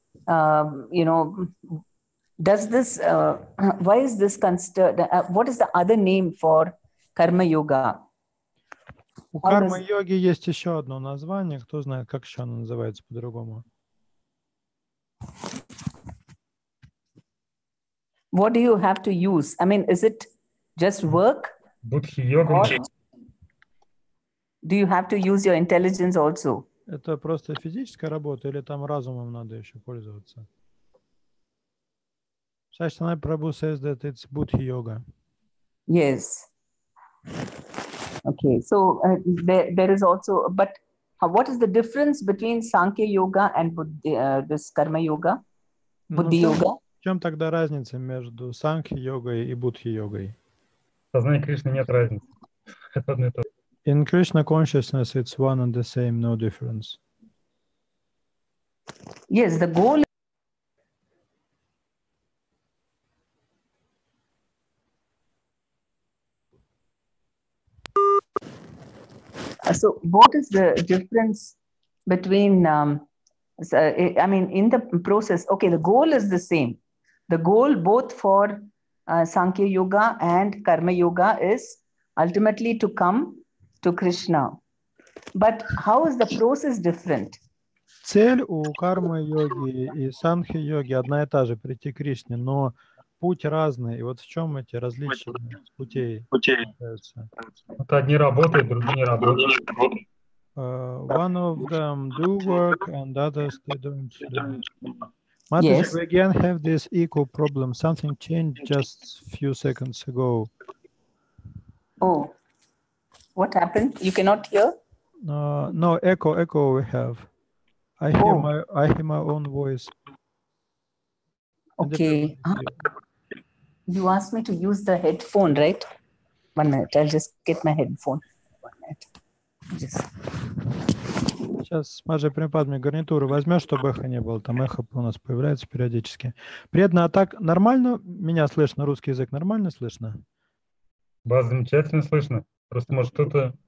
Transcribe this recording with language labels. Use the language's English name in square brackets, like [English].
[English] You know, does this, why is this considered, what is the other name for karma yoga? [Russian] У karma yogi есть еще одно название, кто знает, как еще оно называется по-другому? [English] What do you have to use? I mean, is it just work? [Russian] Будхи йога. [English] Do you have to use your intelligence also? [Russian] Это просто физическая работа или там разумом надо еще пользоваться? [English] Сачтана Прабху says that it's Buddha yoga. Yes. Okay, so there is also, but what is the difference between Sankhya yoga and this Karma yoga? [Russian] Будхи-йога. В чем тогда разница между Санхи-йогой и Будхи-йогой? В сознании Кришны нет разницы. Это одно и то же. [English] In Krishna consciousness, it's one and the same, no difference. Yes, the goal is... So what is the difference between, I mean, in the process, okay, the goal is the same. The goal both for Sankhya Yoga and Karma Yoga is ultimately to come to Krishna. But how is the process different? [Russian] Цель у Карма Йоги и Санхи Йоги одна и та же, прийти к Кришне, но путь разный. И вот в чем эти различия путей? Вот одни работают, другие не работают. [English] One of them do work and others they don't. Matis, yes. We again have this echo problem. Something changed just a few seconds ago. Oh, what happened? You cannot hear? No, echo we have. I hear my own voice. Okay. You asked me to use the headphone, right? 1 minute. I'll just get my headphone. 1 minute. [Russian] Сейчас, Маджи Примпадми, гарнитуру возьмешь, чтобы эхо не было. Там эхо у нас появляется периодически. Приятно, а так нормально меня слышно? Русский язык нормально слышно? Вас замечательно слышно. Просто может кто-то...